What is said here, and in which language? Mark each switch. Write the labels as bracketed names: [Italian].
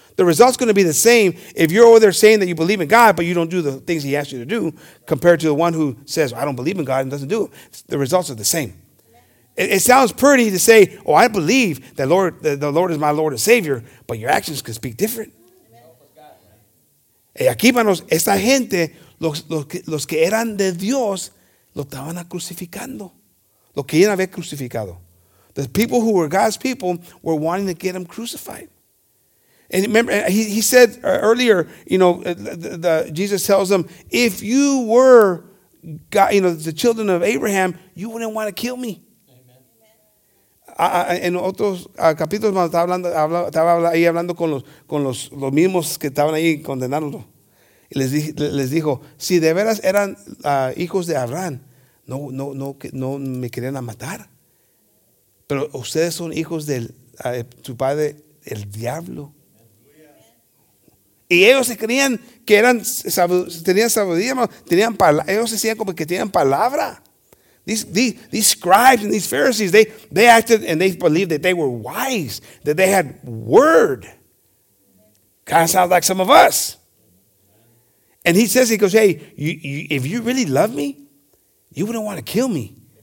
[English] The result's going to be the same if you're over there saying that you believe in God, but you don't do the things he asks you to do, compared to the one who says, I don't believe in God and doesn't do it. The results are the same. It sounds pretty to say, oh, I believe that the Lord is my Lord and Savior, but your actions can speak different. [Spanish] Y aquí, hermanos, esta gente, los que eran de Dios, lo estaban crucificando. Lo querían haber crucificado. [English] The people who were God's people were wanting to get him crucified. And remember, he said earlier, you know, Jesus tells them, if you were God, you know, the children of Abraham, you wouldn't want to kill me. [Spanish] En otros capítulos estaba hablando con los mismos que estaban ahí condenándolo, y les dijo, si de veras eran hijos de Abraham, no me querían matar, pero ustedes son hijos de su padre el diablo. Y ellos se creían que eran, tenían sabiduría, tenían palabra. Ellos se decían como que tenían palabra. [English] These scribes and these Pharisees, they acted and they believed that they were wise, that they had word. Kind of sounds like some of us. And he says, he goes, hey, you, if you really love me, you wouldn't want to kill me.